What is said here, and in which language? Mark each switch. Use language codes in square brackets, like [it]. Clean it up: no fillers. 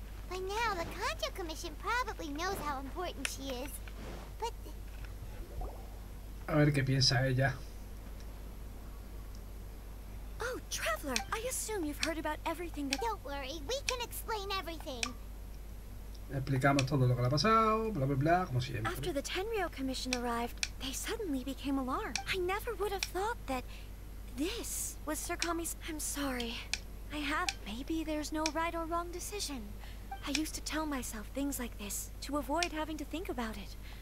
[en] By now, the Kanjo Commission probably knows how important she is, but... [es] A ver qué piensa ella. [en] Oh, Traveler, I assume you've heard about everything that... Don't worry, we can explain everything. [es] Explicamos todo lo que le ha pasado, bla bla bla, como siempre. [en] After the Tenryo Commission arrived, they suddenly became alarmed. I never would have thought that this was Sir Kami's... I'm sorry. I have... Maybe there's no right or wrong decision. I used to tell myself things like this to avoid having to think about it.